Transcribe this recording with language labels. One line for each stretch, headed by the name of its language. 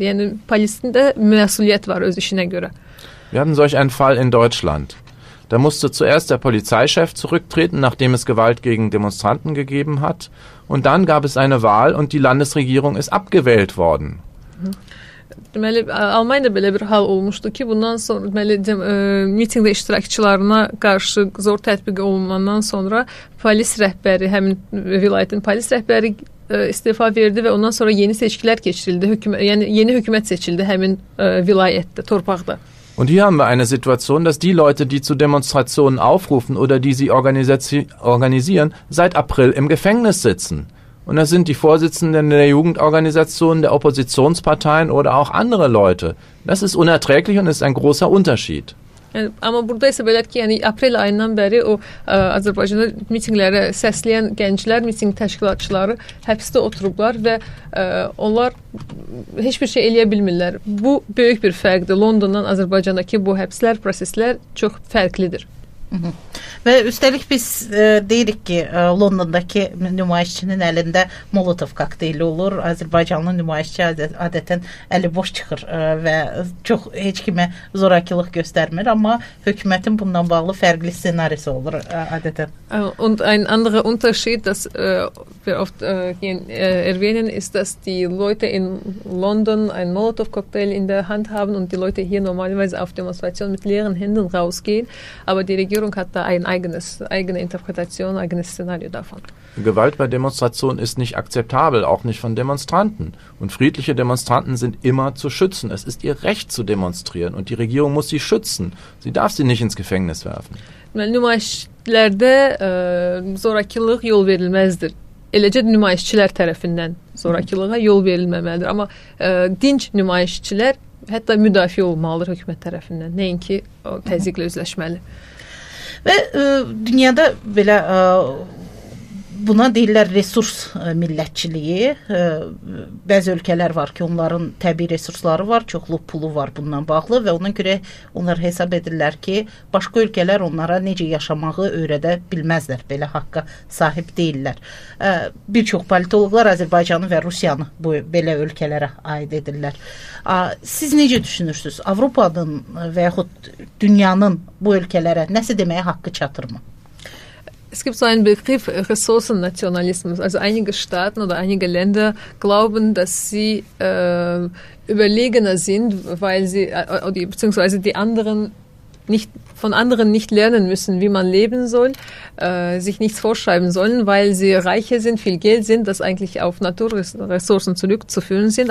Azerbaijani: Yəni polisin də məsuliyyət var öz işinə görə.
German: Wir hatten solch einen Fall in Deutschland. Da musste zuerst der Polizeichef zurücktreten, nachdem es Gewalt gegen Demonstranten gegeben hat. Und dann gab es eine Wahl und die Landesregierung ist abgewählt worden.
Azerbaijani: Deməli, Almanya'da belə bir hal olmuştu ki, bundan sonra mitingdə iştirakçılarına karşı zor tətbiq olunmadan sonra polis rəhbəri, həmin vilayətin polis rəhbəri istifa verdi və ondan sonra yeni seçkilər keçirildi. Yeni hükümət seçildi həmin vilayətdə, torpaqda.
German: Und hier haben wir eine Situation, dass die Leute, die zu Demonstrationen aufrufen oder die sie organisieren, seit April im Gefängnis sitzen. Und das sind die Vorsitzenden der Jugendorganisationen, der Oppositionsparteien oder auch andere Leute. Das ist unerträglich und ist ein großer Unterschied.
Azerbaijani: Ama burada ise belə ki, yani aprel ayından bəri o Azərbaycanda mitinglərə səsləyən gənclər, miting təşkilatçıları həbsdə oturublar və onlar heç bir şey eləyə bilmirlər. Bu böyük bir fərqdir. Londondan Azərbaycandakı bu həbslər, proseslər çox fərqlidir. Ve üstelik biz deyirik ki, Londondaki nümayişçinin əlində Molotov kokteyli olur. Azərbaycanlı nümayişçi adətən əli boş çıxır və çox heç kimə zorakılıq göstərmir. Amma hökumətin bundan bağlı fərqli ssenarisi olur adətən.
German: Und ein anderer Unterschied, das wir oft erwähnen, ist, dass die Leute in London ein Molotov-Cocktail in der Hand haben und die Leute hier normalerweise auf Demonstration mit leeren Händen rausgehen. Aber die Regierung hat da ein eigenes, eigene Interpretation, ein eigenes Szenario davon. Gewalt bei Demonstrationen ist nicht akzeptabel, auch nicht von Demonstranten. Und friedliche Demonstranten sind immer zu schützen. Es ist ihr Recht zu demonstrieren und die Regierung muss sie schützen. Sie darf sie nicht ins Gefängnis werfen.
Azerbaijani: Nümayişçilərdə zorakılıq yol verilməzdir. Eləcə nümayişçilər tərəfindən zorakılığa yol verilməməlidir. Amma dinç nümayişçilər hətta müdafiə olmalıdır hökumət tərəfindən. Nəinki o təzyiqlə üzləşməli. Və dünyada belə buna deyirlər resurs millətçiliyi. Bəzi ölkələr var ki, onların təbii resursları var, çoxlu pulu var bundan bağlı və ona görə onlar hesab edirlər ki, başqa ölkələr onlara necə yaşamağı öyrədə bilməzlər, belə haqqa sahib deyirlər. Bir çox politologlar Azərbaycanı və Rusiyanı bu belə ölkələrə aid edirlər. Siz necə düşünürsünüz? Avropanın və yaxud dünyanın bu ölkələrə nəsə deməyə haqqı çatır mı?
German: Es gibt so einen Begriff Ressourcennationalismus. Also einige Staaten oder einige Länder glauben, dass sie überlegener sind, weil sie beziehungsweise die anderen nicht von anderen nicht lernen müssen, wie man leben soll, sich nichts vorschreiben sollen, weil sie reicher sind, viel Geld sind, das eigentlich auf Naturressourcen zurückzuführen sind.